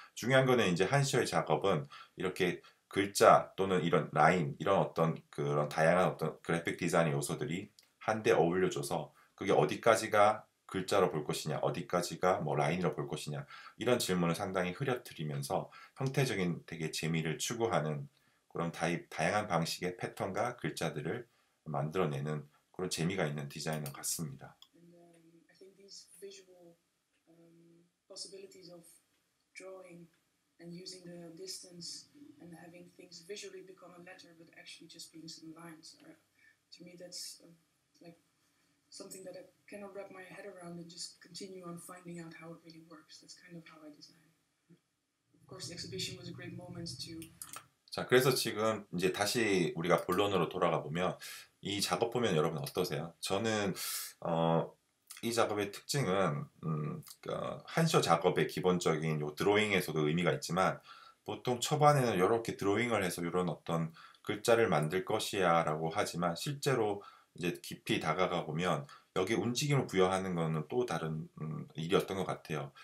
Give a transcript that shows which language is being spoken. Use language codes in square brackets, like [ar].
[ko] 중요한 거는 이제 한시어의 작업은 이렇게 글자 또는 이런 라인 이런 어떤 그런 다양한 어떤 그래픽 디자인의 요소들이 한데 어울려줘서 그게 어디까지가 글자로 볼 것이냐 어디까지가 뭐 라인으로 볼 것이냐 이런 질문을 상당히 흐려뜨리면서 형태적인 되게 재미를 추구하는 그런 다양한 방식의 패턴과 글자들을 만들어내는 그런 재미가 있는 디자이너 같습니다. [en] And, I think these visual possibilities of drawing and using the distance and having things visually become a letter but actually just being some lines are, to me that's like something that I cannot wrap my head around and just continue on finding out how it really works. That's kind of how I design. Of course, the exhibition was a great moment to [ko] 자, 그래서 지금 이제 다시 우리가 본론으로 돌아가 보면 이 작업 보면 여러분 어떠세요? 저는 이 작업의 특징은 한시어 작업의 기본적인 요 드로잉에서도 의미가 있지만 보통 초반에는 이렇게 드로잉을 해서 이런 어떤 글자를 만들 것이야라고 하지만 실제로 이제 깊이 다가가 보면 여기 움직임을 부여하는 것은 또 다른 일이었던 것 같아요.